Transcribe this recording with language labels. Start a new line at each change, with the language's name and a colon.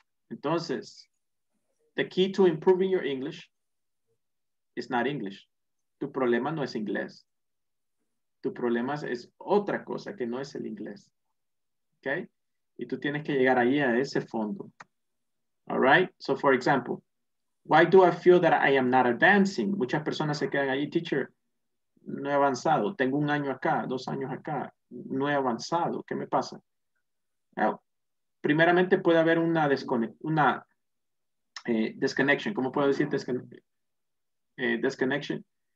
English: Entonces, the key to improving your English is not English.
Spanish: Tu problema no es inglés. Tu problema es otra cosa que no es el inglés. ¿Ok? Y tú tienes que llegar ahí a ese fondo.
English: All right? So, for example, why do I feel that I am not advancing?
Spanish: Muchas personas se quedan ahí, teacher, no he avanzado. Tengo un año acá, dos años acá. No he avanzado. ¿Qué me pasa? Well, primeramente puede haber una disconnection. ¿Cómo puedo decir disconnection?